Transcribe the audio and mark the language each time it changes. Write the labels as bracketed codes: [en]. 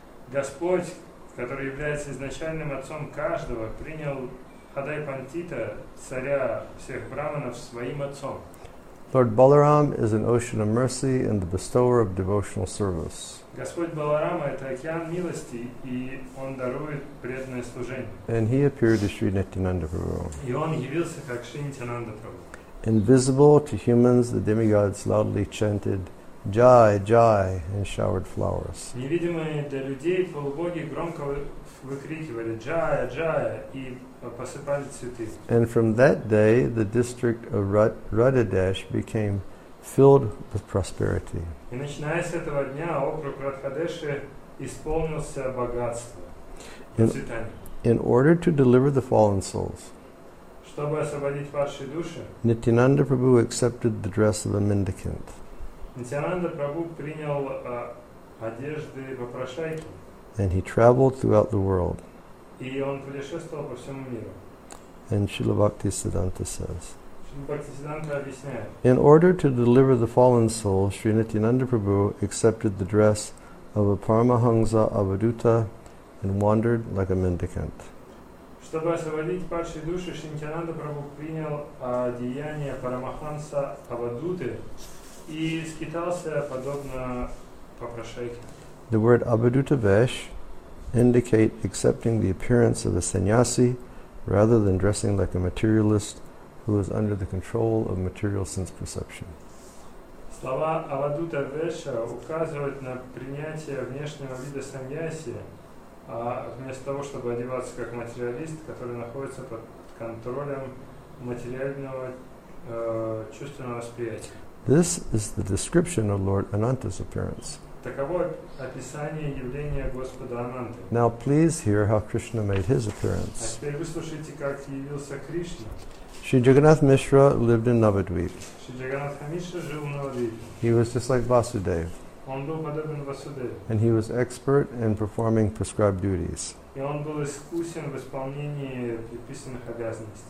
[ru] Господь, который является изначальным отцом каждого, принял Хадай Пандита, царя всех браманов, своим отцом. [en] Lord Balaram is an ocean of mercy and the bestower of devotional service. [ru] Господь Баларама – это океан милости, и он дарует преданное служение. [en] And he appeared as Sri Nityananda Prabhu. [ru] И он явился как Шри Нитянанда Прабху. [en] Invisible to humans, the demigods loudly chanted, "Jai, Jai!" and showered flowers. [ru] Невидимые для людей полубоги громко выкрикивали "Jai, Jai!" и посыпали цветы. [en] And from that day, the district of Radhadesh became filled with prosperity. [ru] И начиная с этого дня, округ Радхадеши исполнился богатством. [en] In order to deliver the fallen souls, [ru] чтобы освободить ваши души, [en] Nityananda Prabhu accepted the dress of a mendicant. [ru] Nityananda Prabhu принял одежды вопрошайки. [en] And he traveled throughout the world. [ru] И он путешествовал по всему миру. [en] And Śrīla Bhaktisiddhānta says, [ru] Bhaktisiddhānta объясняет, [en] in order to deliver the fallen soul, Śrī Nityananda Prabhu accepted the dress of a Paramahansa Avaduta and wandered like a mendicant. [ru] Чтобы освободить падшие души, Шри Нитянанда Прабху принял одеяние Парамаханса Авадуты и скитался подобно попрошайке. [en] The word Avaduta Vesh indicate accepting the appearance of a sannyasi rather than dressing like a materialist who is under the control of material sense perception. [ru] Слова Авадута Веша указывают на принятие внешнего вида сannyasi, а вместо того, чтобы одеваться как материалист, который находится под контролем материального чувственного восприятия. [en] This is the description of Lord Ananta's appearance. [ru] Таково описание явления Господа Ананты. [en] Now please hear how Krishna made his appearance. [ru] А теперь выслушайте, как явился Кришна. [en] Shri Jagannath Mishra lived in Navadvip. [ru] Shri Jagannath Mishra жил в Navadvip. [en] He was just like Vasudev. [ru] Он был подобен Васудеве. [en] And he was expert in performing prescribed duties. [ru] И он был искусен в исполнении предписанных обязанностей.